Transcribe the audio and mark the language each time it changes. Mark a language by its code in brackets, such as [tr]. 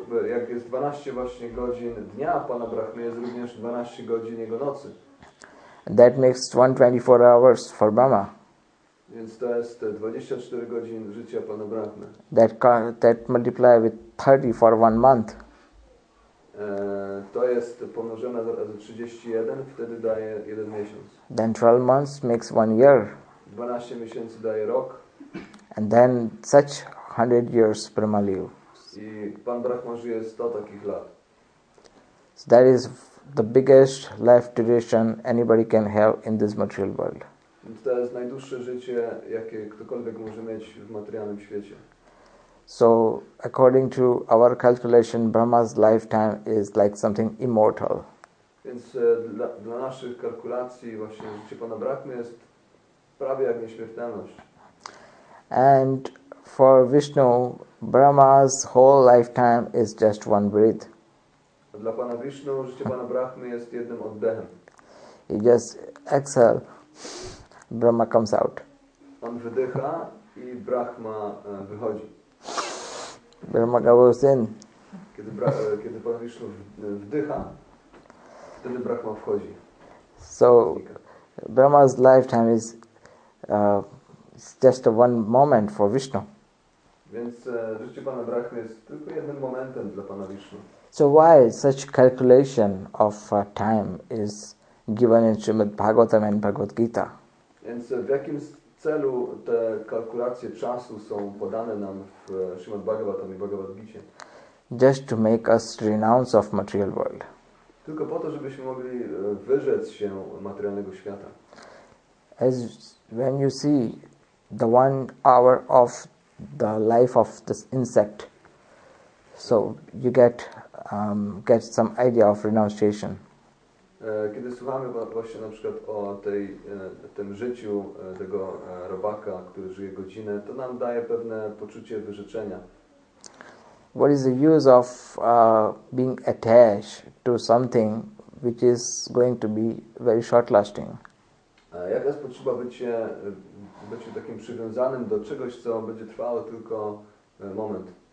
[pl] Jak jest 12 właśnie godzin dnia Pana Brahmy, jest również 12 godzin jego nocy. [en] That makes 124 hours for Brahma. [pl] Więc to jest 24 godzin życia Pana Brahmy. [en] That multiply with 30 for 1 month. [pl] To jest pomnożone razy 31, wtedy daje 1 miesiąc. [en] Then 12 months makes 1 year. [pl] 12 miesięcy daje rok. [en] And then such 100 years Brahma live. [pl] I Pan Brahma żyje 100 takich lat. [en] So that is the biggest life duration anybody can have in this material world. [pl] Więc to jest najdłuższe życie, jakie ktokolwiek może mieć w materialnym świecie. [en] So, according to our calculation, Brahma's lifetime is like something immortal. [pl] Więc dla naszych kalkulacji właśnie życie Pana Brahmy jest prawie jak nieśmiertelność. [en] And for Vishnu, Brahma's whole lifetime is just one breath. [pl] A dla Pana Vishnu życie Pana Brahmy jest jednym oddechem. [en] He just exhale, Brahma comes out. [pl] On wydycha i Brahma wychodzi. [en] Brahma goes in. [pl] Kiedy Pan Vishnu wdycha, wtedy Brahma wchodzi. [en] So, Brahma's lifetime is just one moment for Vishnu. [pl] Więc życie Pana Brahmy jest tylko jednym momentem dla Pana Vishnu. [en] So why such calculation of time is given in Srimad Bhagavatam and Bhagavad Gita? [pl] Więc w jakim celu te kalkulacje czasu są podane nam w Srimad Bhagavatam i Bhagavad Gita? [en] Just to make us renounce of material world. [pl] Tylko po to, żebyśmy mogli wyrzec się materialnego świata. [en] As when you see the 1 hour of the life of this insect, so you get some idea of renunciation. [pl] Kiedy słuchamy właśnie na przykład o tym życiu tego robaka, który żyje godzinę, to nam daje pewne poczucie wyrzeczenia. [en] What is the use of being attached to something which is going to be very short lasting? [pl] Jaka jest potrzeba być takim przywiązanym do czegoś, co będzie trwało tylko moment?